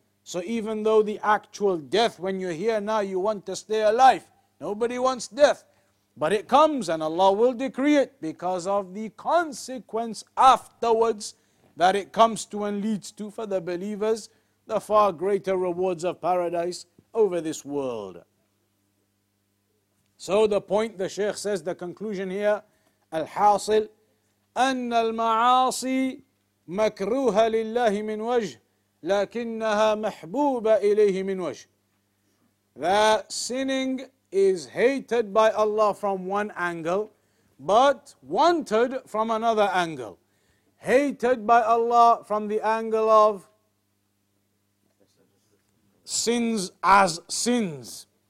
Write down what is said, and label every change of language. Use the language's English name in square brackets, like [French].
[English] So even though the actual death, when you're here now, you want to stay alive. Nobody wants death. But it comes and Allah will decree it because of the consequence afterwards that it comes to and leads to for the believers, the far greater rewards of paradise over this world. So the point, the Shaykh says, the conclusion here, [Arabic] الحاصل أن المعاصي مكروهة لله من وجه لكنها محبوبة إليه من وجه. [English] That sinning is hated by Allah from one angle, but wanted from another angle. Hated by Allah from the angle of sins as sins.